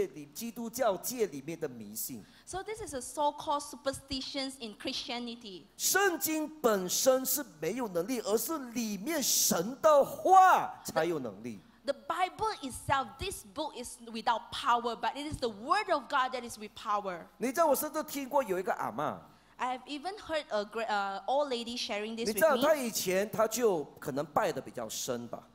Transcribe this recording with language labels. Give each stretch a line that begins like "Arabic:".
Chinese: 所以呢，这个是很多基督徒所谓在基督教界里面的迷信。
English: So this is a so-called superstitions in Christianity.
Chinese: 圣经本身是没有能力，而是里面神的话才有能力。
English: The Bible itself, this book is without power, but it is the Word of God that is with power.
Chinese: 你知道我甚至听过有一个阿嬷。
English: I have even heard a great, old lady sharing this with me.
Chinese: 你知道她以前她就可能拜的比较深吧。